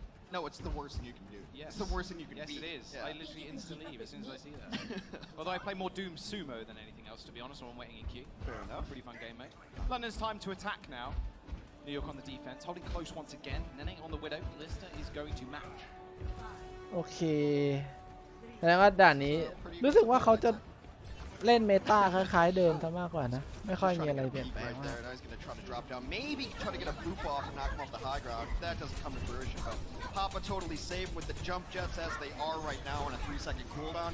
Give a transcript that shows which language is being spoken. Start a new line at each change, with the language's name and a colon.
English: No, it's the worst thing you can do. Yes. It's the worst thing you can do. Yes, beat. It is. Yeah. I literally instantly leave as soon as I see that. Although I play more Doom Sumo than anything else, to be honest, while I'm waiting in queue. Fair enough. Pretty fun game, mate. London's time to attack now. New York on the defense, holding close once again. Nene on the Widow. Lister is going to match. Okay.
Thai: แสดงว่าด่านนี้รู้สึกว่าเขาจะเล่นเมตาคล้ายๆเดิมซะมากกว่านะไม่ค่อยมีอะไรเปลี่ยนแปลงมาก
English: Maybe try to get a boop off and knock him off the high ground. That doesn't come to fruition. Papa totally safe with the jump jets as they are right now on a 3-second cooldown.